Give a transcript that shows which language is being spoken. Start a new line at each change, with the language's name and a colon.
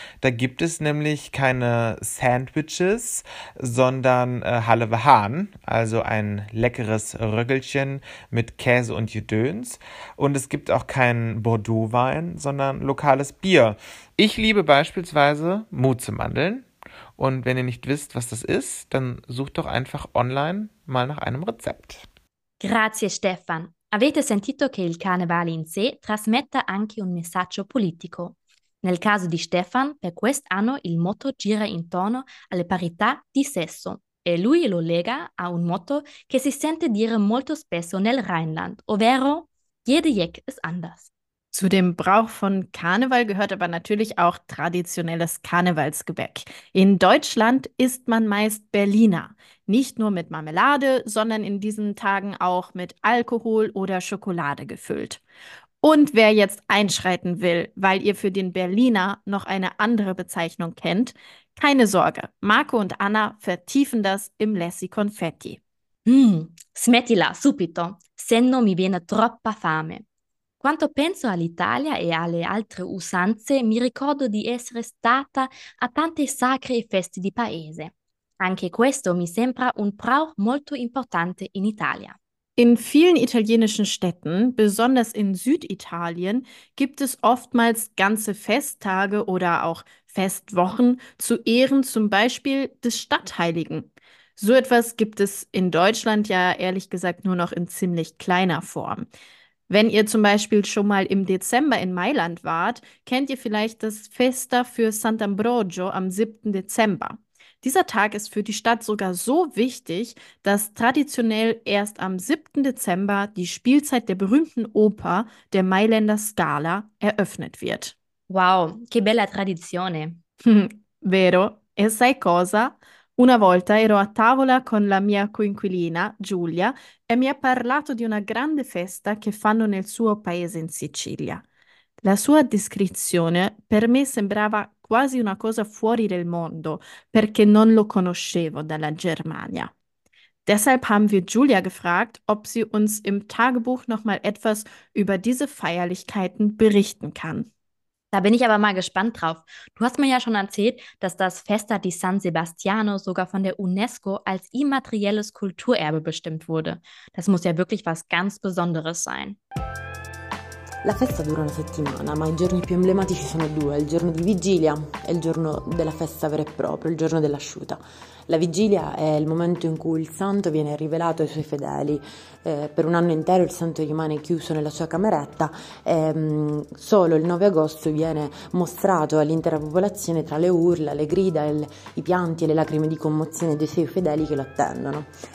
German: Da gibt es nämlich keine Sandwiches, sondern Halve Hahn, also ein leckeres Röggelchen mit Käse und Gedöns. Und es gibt auch keinen Bordeaux-Wein, sondern lokales Bier. Ich liebe beispielsweise Mutzemandeln. Und wenn ihr nicht wisst, was das ist, dann sucht doch einfach online mal nach einem Rezept.
Italian: Grazie, Stefan. Avete sentito che il carnevale in sé trasmetta anche un messaggio politico. Nel caso di Stefan, per quest'anno il motto gira intorno alle parità di sesso e lui lo lega a un motto che si sente dire molto spesso nel Rheinland, ovvero
German: jede Jeck ist anders. Zu dem Brauch von Karneval gehört aber natürlich auch traditionelles Karnevalsgebäck. In Deutschland isst man meist Berliner. Nicht nur mit Marmelade, sondern in diesen Tagen auch mit Alkohol oder Schokolade gefüllt. Und wer jetzt einschreiten will, weil ihr für den Berliner noch eine andere Bezeichnung kennt, keine Sorge, Marco und Anna vertiefen das im Lessi Confetti.
Italian: Smettila, subito, se no mi viene troppa fame. Quando penso all'Italia e alle altre usanze, mi ricordo di essere stata a tante sacre e feste di paese. Anche questo mi sembra un brauch molto importante in Italia.
German: In vielen italienischen Städten, besonders in Süditalien, gibt es oftmals ganze Festtage oder auch Festwochen zu Ehren zum Beispiel des Stadtheiligen. So etwas gibt es in Deutschland ja ehrlich gesagt nur noch in ziemlich kleiner Form. Wenn ihr zum Beispiel schon mal im Dezember in Mailand wart, kennt ihr vielleicht das Festa für Sant'Ambrogio am 7. Dezember. Dieser Tag ist für die Stadt sogar so wichtig, dass traditionell erst am 7. Dezember die Spielzeit der berühmten Oper, der Mailänder Scala, eröffnet wird.
Italian: Wow, che bella tradizione. Vero, e sai cosa? Una volta ero a tavola con la mia coinquilina, Giulia, e mi ha parlato di una grande festa che fanno nel suo paese in Sicilia. La sua descrizione per me sembrava quasi una cosa fuori del mondo, perché non lo conoscevo dalla Germania.
German: Deshalb haben wir Giulia gefragt, ob sie uns im Tagebuch nochmal etwas über diese Feierlichkeiten berichten kann. Da bin ich aber mal gespannt drauf. Du hast mir ja schon erzählt, dass das Festa di San Sebastiano sogar von der UNESCO als immaterielles Kulturerbe bestimmt wurde. Das muss ja wirklich was ganz Besonderes sein.
Italian: La festa dura una settimana, ma i giorni più emblematici sono due, il giorno di vigilia e il giorno della festa vera e propria, il giorno dell'asciuta. La vigilia è il momento in cui il santo viene rivelato ai suoi fedeli. Per un anno intero il santo rimane chiuso nella sua cameretta e solo il 9 agosto viene mostrato all'intera popolazione tra le urla, le grida, i pianti e le lacrime di commozione dei suoi fedeli che lo attendono.